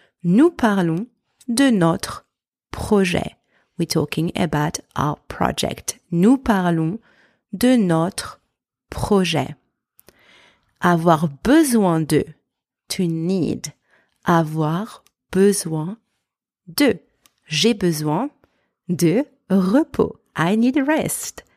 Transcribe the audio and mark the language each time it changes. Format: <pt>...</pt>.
<fr>Nous parlons de notre projet.</fr> <en>We're talking about our project.</en> <fr>Nous parlons de notre projet. Avoir besoin de.</fr> <en>To need.</en> <fr>Avoir besoin de. J'ai besoin de repos.</fr> <en>I need rest.</en>